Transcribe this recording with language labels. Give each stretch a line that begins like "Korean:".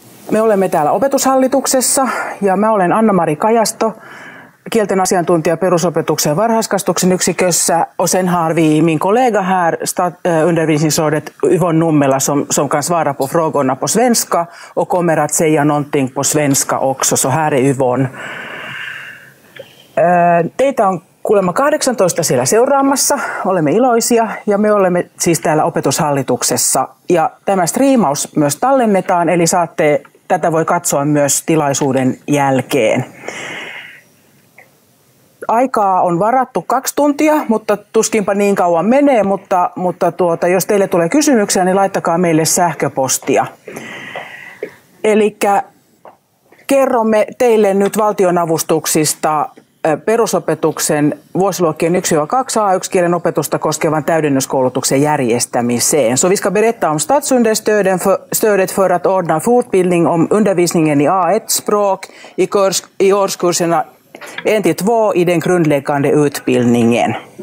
Finnish: Me olemme täällä opetushallituksessa ja mä olen Anna-Mari Kajasto, kielten asiantuntija perusopetuksen varhaiskasvatuksen yksikössä.
Swedish: Och sen har vi min kollega här, undervisningsrådet Yvonne Nummela, som kan svara på frågorna på svenska och kommer att säga någonting på svenska också. Så här är Yvonne.
Finnish: Teitä on kuulemma 18 siellä seuraamassa. Olemme iloisia ja me olemme siis täällä opetushallituksessa. Ja tämä striimaus myös tallennetaan, eli saatte tätä voi katsoa myös tilaisuuden jälkeen. Aikaa on varattu 2 tuntia, mutta tuskinpa niin kauan menee, mutta jos teille tulee kysymyksiä, niin laittakaa meille sähköpostia. Eli kerromme teille nyt valtionavustuksista perusopetuksen vuosiluokkien 1-2 A1 kielen opetusta koskevan täydennyskoulutuksen järjestämiseen.
Swedish: Så vi ska berätta om statsunderstödet för att ordna fortbildning om undervisningen i A1-språk i årskurserna 1-2 i den grundläggande utbildningen.